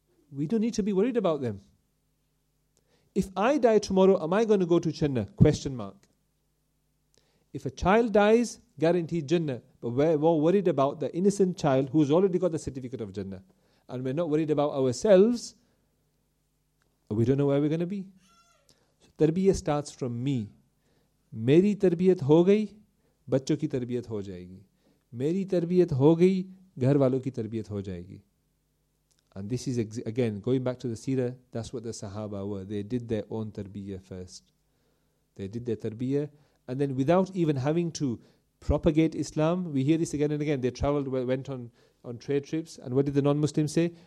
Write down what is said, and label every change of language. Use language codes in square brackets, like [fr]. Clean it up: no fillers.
[en] We don't need to be worried about them. If I die tomorrow, am I going to go to Jannah? Question mark. If a child dies, guaranteed Jannah. But we're more worried about the innocent child who's already got the certificate of Jannah. And we're not worried about ourselves. We don't know where we're going to be. So, tarbiyah starts from me. [ur] میری تربیت ہو گئی، بچوں کی تربیت ہو جائے گی۔ میری تربیت ہو گئی، گھر والوں کی تربیت ہو جائے گی۔ [en] And this is, again, going back to the seerah, that's what the sahaba were. They did their own tarbiyah first. They did their tarbiyah. And then without even having to propagate Islam, we hear this again and again. They traveled, went on trade trips. And what did the non-Muslims say?